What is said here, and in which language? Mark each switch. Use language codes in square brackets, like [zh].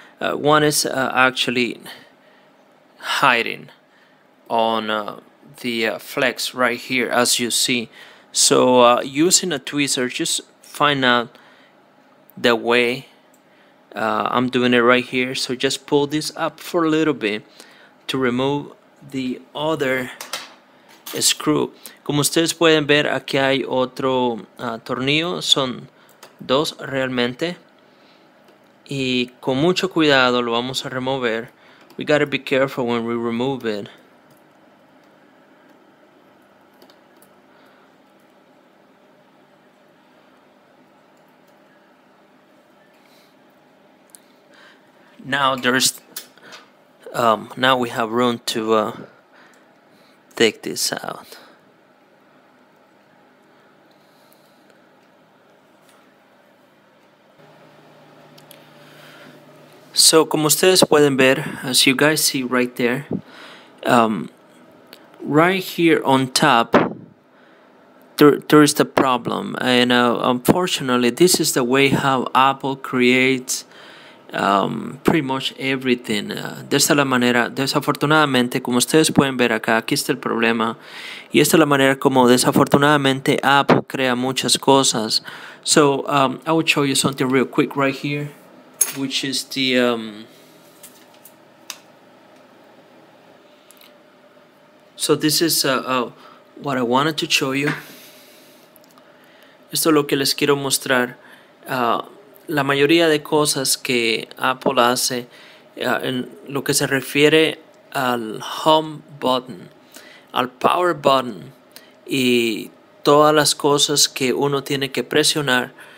[en] One is actually hiding on the flex right here, as you see. So using a tweezer, just find out the way I'm doing it right here. So just pull this up for a little bit to remove the other screw. [es] Como ustedes pueden ver, aquí hay otro tornillo. Son dos realmente. Y con mucho cuidado lo vamos a remover. [en] We gotta be careful when we remove it. Now there's, now we have room to take this out. So, [es] como ustedes pueden ver, [en] as you guys see right there, right here on top, there is the problem. And unfortunately, this is the way how Apple creates pretty much everything. [es] De esta la manera, desafortunadamente, como ustedes pueden ver acá, aquí está el problema. Y esta es la manera como desafortunadamente Apple crea muchas cosas. [en] So, I will show you something real quick right here, which is the so this is what I wanted to show you. [es] Esto es lo que les quiero mostrar. La mayoría de cosas que Apple hace en lo que se refiere al home button, al power button y todas las cosas que uno tiene que presionar.